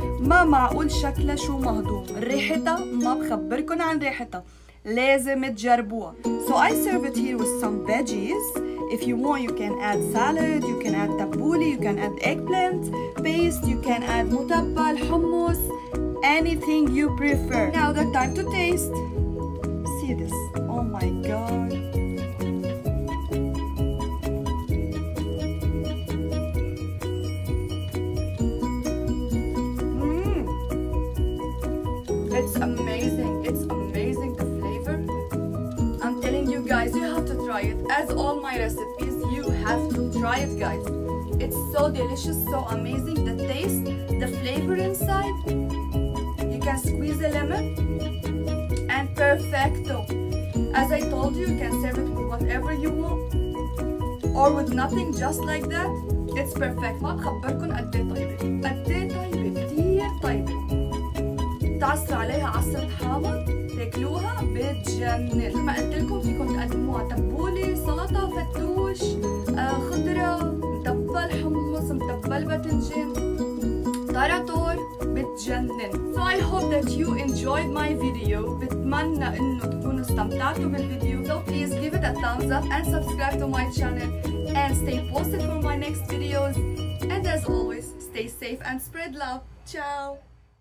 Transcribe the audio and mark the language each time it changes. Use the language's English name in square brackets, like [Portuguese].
[Arabic] ما معقول شكلها شو مهضوم, ريحتها ما بخبركن عن ريحتها, لازم تجربوها. [English] So I serve it here with some veggies. If you want, you can add salad, you can add tabbouleh, you can add eggplant paste, you can add mutabbal, hummus. Anything you prefer. Now the time to taste. See this. Oh my god. It's amazing. It's amazing the flavor. I'm telling you guys, you have to try it. As all my recipes, you have to try it, guys. It's so delicious, so amazing. The taste, the flavor inside. Can squeeze a lemon and perfecto. As I told you, you can serve it with whatever you want or with nothing, just like that. It's perfect. [Arabic] ما بخبركن قد ايه طيبة, قد ايه طيبة, كتير طيبة. تعصر عليها عصرة حامض, تاكلوها بتجنن. مثل ما قلت لكم فيكم تقدموها تبولي, سلطة, فتوش, خضرة, متبل حمص, متبل باذنجان, طراطور, بتجنن. [English] So I hope that you enjoyed my video. [Arabic] بتمنى انه تكونوا استمتعتوا بالفيديو. [English] So please give it a thumbs up and subscribe to my channel and stay posted for my next videos. And as always, stay safe and spread love. Ciao!